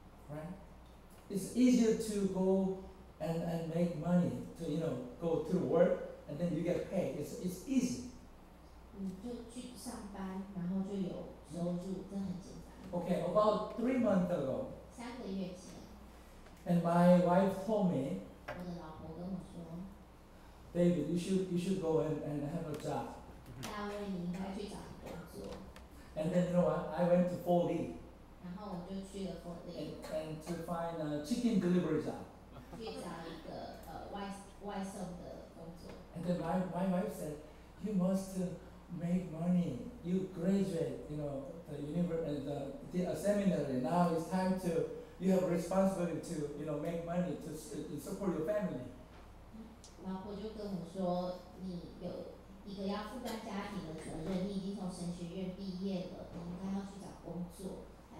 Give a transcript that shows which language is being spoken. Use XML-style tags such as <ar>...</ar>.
<en>Right? It's easier to go and make money to, you know, go to work and then you get paid. It's easy.</en> <zh>你就去上班，然后就有收入，这很简单。</zh> <en>Okay, about 3 months ago.</en> <zh>三个月前。</zh> <en>And my wife told me.</en> <zh>我的老婆跟我说。</zh> <en>David, you should go and have a job.</en> <zh>大卫，你应该去找工作。</zh> <en>And then you know what? I went to 4D.</en> <zh>然后我就去了 Fort Lee.</zh> <en>And to find a chicken delivery job.</en> <zh>去找一个外送的工作。</zh> <en>And then my wife said, "You must make money. You graduate, you know, the university, the seminary. Now it's time to you have responsibility to, you know, make money to support your family."</en> <zh>老婆就跟我说，你有一个要负担家庭的责任。你已经从神学院毕业了，你应该要去找工作。</zh>